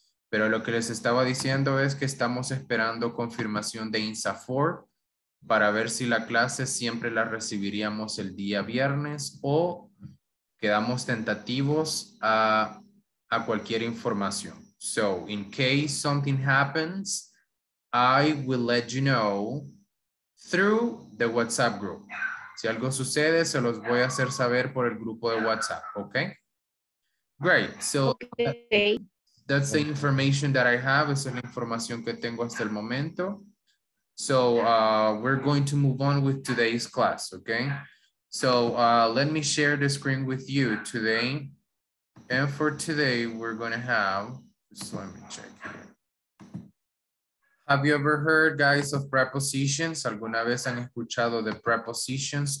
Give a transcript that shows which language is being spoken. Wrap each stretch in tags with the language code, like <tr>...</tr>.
<es>Pero lo que les estaba diciendo es que estamos esperando confirmación de INSAFORP para ver si la clase siempre la recibiríamos el día viernes o quedamos tentativos a cualquier información.</es> <en>So, in case something happens, I will let you know through the WhatsApp group.</en> <es>Si algo sucede, se los voy a hacer saber por el grupo de WhatsApp, okay?</es> <en>Great, so okay. That's the information that I have.</en> <es>Esa es la información que tengo hasta el momento.</es> <en>So we're going to move on with today's class, okay? So let me share the screen with you today. And for today, we're gonna have, just let me check here. Have you ever heard, guys, of prepositions?</en> <es>¿Alguna vez han escuchado de prepositions?</es>